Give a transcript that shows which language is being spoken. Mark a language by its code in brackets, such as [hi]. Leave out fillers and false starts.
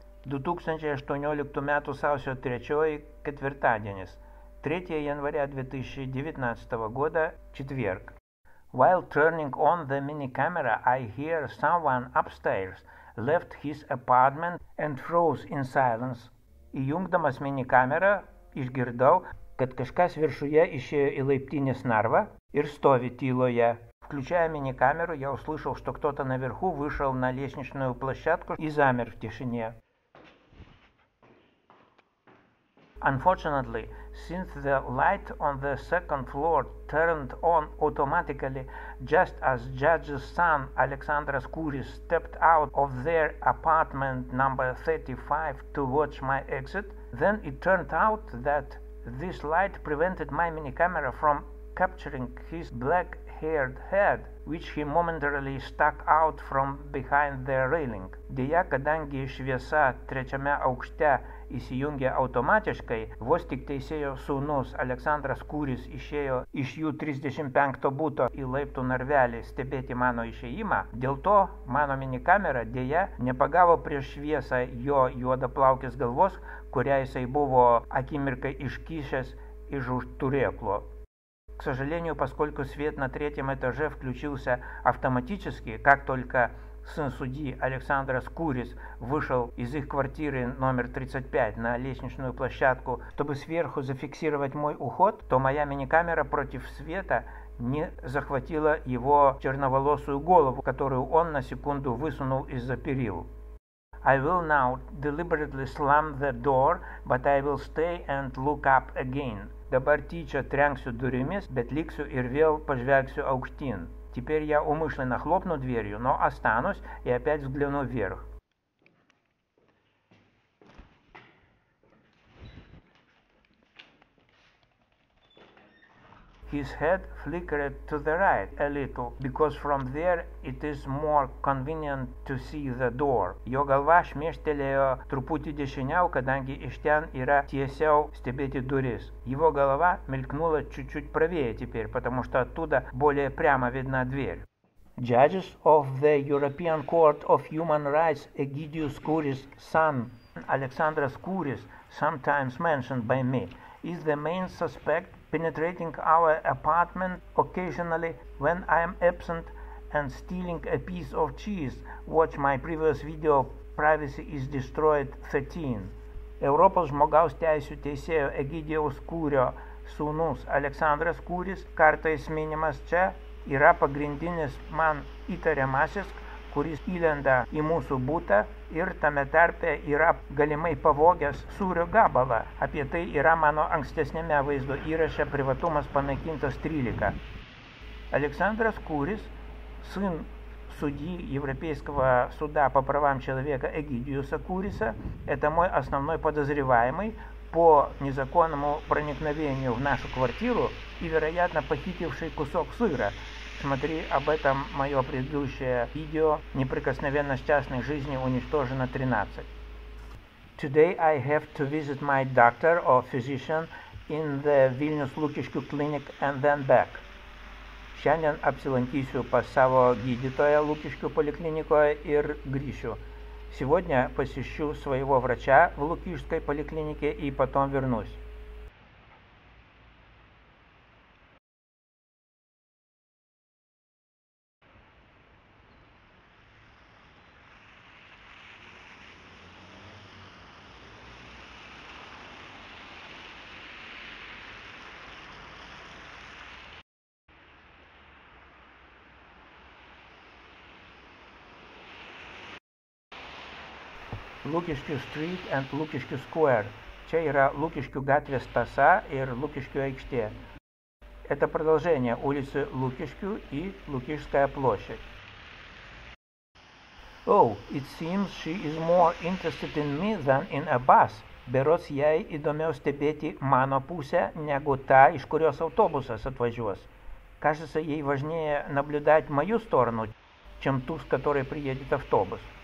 [lt] 2018 metų sausio 3 ketvirtadienis. [ru] 3 janvario 2019 года четверг. [en] While turning on the mini camera, I hear someone upstairs left his apartment and froze in silence. [lt] Įjungdamas mini kamerą, išgirdau, kad kažkas viršuje išėjo į laiptinės narvą ir stovi tyloje. [ru] Включая мини-камеру, я услышал, что кто-то наверху вышел на лестничную площадку и замер в тишине. [en] Unfortunately, since the light on the second floor turned on automatically just as judge's son Alexandras Kouris stepped out of their apartment number 35 to watch my exit, then it turned out that this light prevented my mini-camera from capturing his black haired head, which he momentarily stuck out from behind the railing. [lt] Deja, kadangi šviesa trečiame aukšte įsijungė automatiškai, vos tik teisėjo sūnus Aleksandras Kouris išėjo iš jų 35 buto į laiptų narvelį stebėti mano išėjimą, dėl to mano mini kamera deja nepagavo prieš šviesą jo juodaplaukės galvos, kurią jisai buvo akimirkai iškišęs iš už turėklo. [ru] К сожалению, поскольку свет на третьем этаже включился автоматически, как только сын судьи Александра Скурис вышел из их квартиры номер 35 на лестничную площадку, чтобы сверху зафиксировать мой уход, то моя мини-камера против света не захватила его черноволосую голову, которую он на секунду высунул из-за перил. [en] I will now deliberately slam the door, but I will stay and look up again. [lt] Dabar tyčia trenksiu durimis, bet liksiu ir vėl pažvelgsiu aukštyn. [ru] Теперь я умышленно хлопну дверью, но останусь и опять взгляну вверх. [en] His head flickered to the right a little, because from there it is more convenient to see the door. [lt] Jo galva šmėštelėjo truputį dešiniau, kadangi iš ten yra tiesiau stebėti duris. Jo galva milknula čiučiučiu pravėje [ru] teперь, потому что оттуда более прямо видна дверь. [en] Judges of the European Court of Human Rights Egidius Kouris' son, Aleksandras Kouris, sometimes mentioned by me, is the main suspect penetrating our apartment occasionally when I am absent and stealing a piece of cheese. Watch my previous video, Privacy is Destroyed 13. [lt] Europos žmogaus teisių teisėjo Egidijaus Kūrio sūnus Aleksandras Kūris, kartais minimas čia, yra pagrindinis man įtariamasis, kuris įlenda į mūsų būtą ir tame tarpe yra galimai pavogęs sūrio gabalą. Apie tai yra mano ankstesnėme vaizdo įraše privatumas panaikintas 13. [ru] Aleksandras Kouris, sūn судьи Европейского суда по правам человека Эгидиуса Куриса, это мой основной подозреваемый по незаконному проникновению в нашу квартиру и, вероятно, похитивший кусок сыра. Смотри об этом мое предыдущее видео «Неприкосновенность частной жизни уничтожена 13». [en] Today I have to visit my doctor or physician in the Vilnius Lukiškių clinic and then back. [lt] Šiandien apsilankysiu pas savo gydytoją Lukiškių poliklinikoje ir grįšiu. [ru] Сегодня посещу своего врача в Лукишской поликлинике и потом вернусь. [en] Lukiškių Street and Lukiškių Square. [lt] Čia yra Lukiškių gatvės tąsa ir Lukiškių aikštė. [ru] Это продолжение улицы Лукишкю и Лукишская площадь. [en] Oh, it seems she is more interested in me than in a bus. [lt] Berods jai įdomiau stebėti mano pusę, negu ta, iš kurios autobusas atvažiuos. [ru] Кажется, ей важнее наблюдать мою сторону, чем ту, с которой приедет автобус.